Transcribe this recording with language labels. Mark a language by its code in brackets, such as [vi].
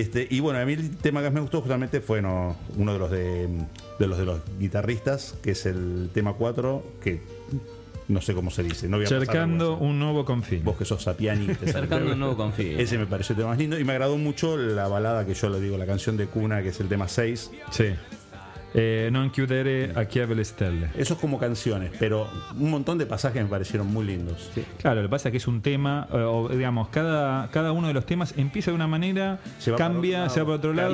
[es] Y bueno, a mí el tema que más me gustó justamente fue uno de los de los guitarristas, que es el tema 4, que... No sé cómo se dice. No voy a Cercando pasar un nuevo confín. Vos que sos Sapiani. Cercando un nuevo confín. Ese me pareció el tema más lindo. Y me agradó mucho la balada que yo le digo, la canción de cuna, que es el tema 6. [it] Sì. Non chiudere a chiave le stelle. [es] Eso es como canciones, pero un montón de pasajes me parecieron muy lindos. Sí. Claro, lo que pasa es que es un tema, digamos, cada uno de los temas empieza de una manera, se cambia, se va para otro lado.